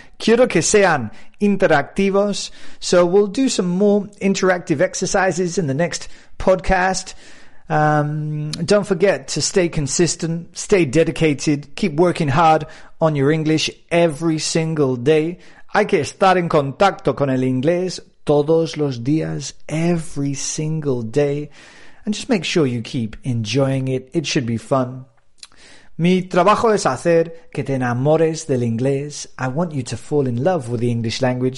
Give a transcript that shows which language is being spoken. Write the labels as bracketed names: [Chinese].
[Spanish] Quiero que sean interactivos. [English] So we'll do some more interactive exercises in the next podcast. Don't forget to stay consistent, stay dedicated, keep working hard on your English every single day. [Spanish] Hay que estar en contacto con el inglés todos los días, [English] every single day. And just make sure you keep enjoying it. It should be fun. [Spanish] Mi trabajo es hacer que te enamores del inglés. [English] I want you to fall in love with the English language.